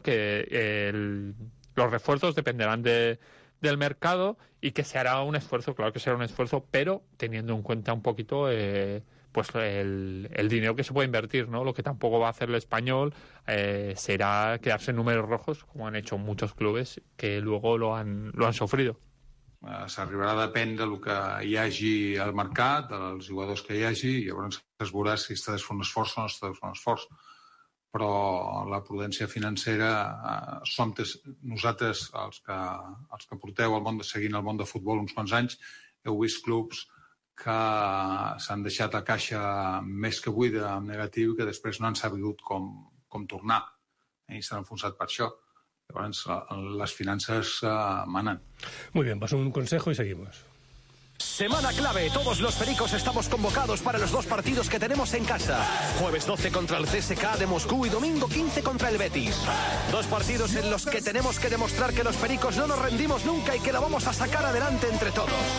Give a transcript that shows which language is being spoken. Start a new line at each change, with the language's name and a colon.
Spanish: Que los refuerzos dependerán del mercado y que se hará un esfuerzo, claro que será un esfuerzo, pero teniendo en cuenta un poquito... pues el dinero que se puede invertir, ¿no? Lo que tampoco va a hacer el Español será quedarse en números rojos, como han hecho muchos clubes que luego lo han sufrido.
Catalan: S'arribarà a dependre del que hi hagi al mercat, dels jugadors que hi hagi, i llavors es veurà si està de fer un esforç o no està de fer un esforç. Però la prudència financera, som nosaltres els que porteu el món de seguint el món de futbol uns quants anys, heu vist clubs que s'han deixat a caixa més que buida en negatiu que després no han sabut com tornar. I s'han enfonsat per això. Llavors, les finances manen.
Spanish: Muy bien, paso un consejo y seguimos. Semana clave. Todos los pericos estamos convocados para los dos partidos que tenemos en casa. Jueves 12 contra el CSKA de Moscú y domingo 15 contra el Betis. Dos partidos en los que tenemos que demostrar que los pericos no nos rendimos nunca y que lo vamos a sacar adelante entre todos.